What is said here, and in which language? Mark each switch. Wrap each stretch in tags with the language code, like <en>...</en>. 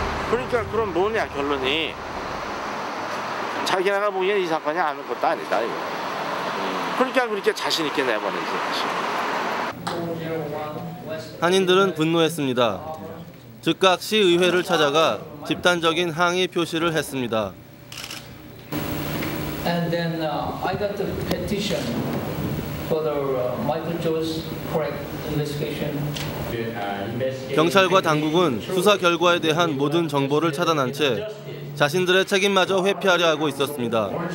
<ko>그러니까 그럼 뭐냐 결론이 자기네가 보기엔 이 사건이 아무것도 아니다. 이거. 그러니까 그렇게 자신 있게 내보내지. 한인들은 분노했습니다. 즉각 시의회를 찾아가 집단적인 항의 표시를 했습니다.</ko> <en>And then I got the petition for the Michael Cho's correct investigation.</en> <ko>경찰과 당국은 수사 결과에 대한 모든 정보를 차단한 채 자신들의 책임마저 회피하려 하고 있었습니다.</ko>